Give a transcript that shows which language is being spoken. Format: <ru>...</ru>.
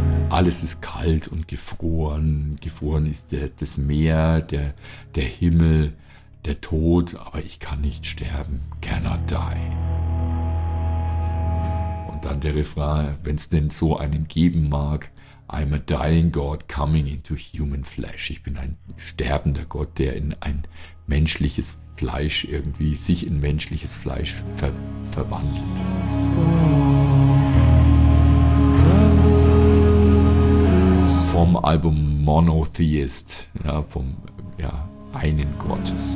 <de>I alles ist kalt und gefroren. Gefroren ist das Meer, der Himmel, der Tod, aber ich kann nicht sterben.</de> <en>Cannot die.</en> <de>Und dann der Refrain, wenn es denn so einen geben mag.</de> <en>I'm a dying God coming into human flesh.</en> <de>Ich bin ein sterbender Gott, der in ein menschliches Fleisch irgendwie sich in menschliches Fleisch verwandelt. Vom Album Monotheist, ja, vom ja, einen Gott.</de>